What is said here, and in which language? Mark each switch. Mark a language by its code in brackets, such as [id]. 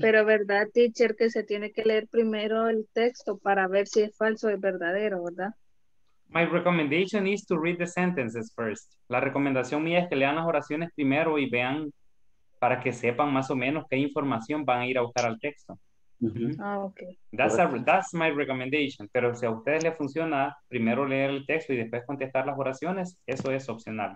[es] Pero verdad, teacher, que se tiene que leer primero el texto para ver si es falso o es verdadero, ¿verdad? [en] My recommendation is to read the sentences first. [es] La recomendación mía es que lean las oraciones primero y vean para que sepan más o menos qué información van a ir a buscar al texto. Mm-hmm. Ah, okay. [en] That's my recommendation. [es] Pero si a ustedes les funciona primero leer el texto y después contestar las oraciones, eso es opcional.